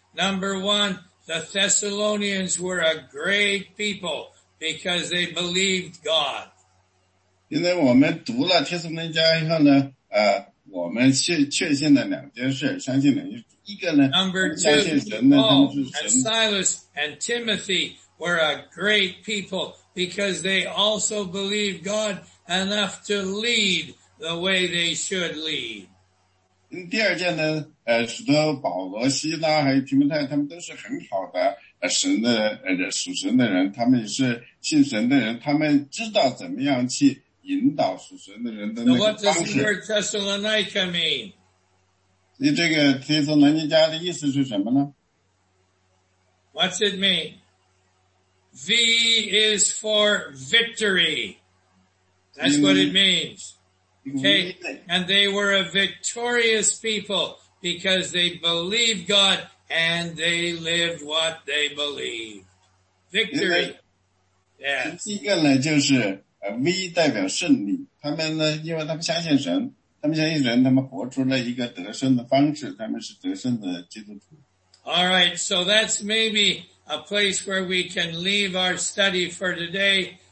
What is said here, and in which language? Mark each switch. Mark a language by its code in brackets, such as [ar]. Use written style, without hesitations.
[en] Number one, the Thessalonians were a great people because they believed God. [zh] 因为我们读了帖撒罗尼迦以后呢，我们确信了两件事，相信了一个呢， [en] Number two, [zh] 相信神呢，他们是神。 [en] And Silas and Timothy were a great people because they also believed God enough to lead the way they should lead. [zh] 第二件呢，使得保罗、希拉还有提摩太，他们都是很好的神的属神的人，他们是信神的人，他们知道怎么样去引导属神的人的那个方式。 [en] So what does the word Thessalonica mean? [zh] 你这个提摩太尼迦的意思是什么呢？ [en] What's it mean? V is for victory. That's what it means. Okay, and they were a victorious people because they believed God and they lived what they believed. Victory. Yes. [zh] 第一个呢，就是V 代表胜利。他们呢，因为他们相信神，他们相信神，他们活出了一个得胜的方式。他们是得胜的基督徒。 [en] All right, so that's maybe a place where we can leave our study for today.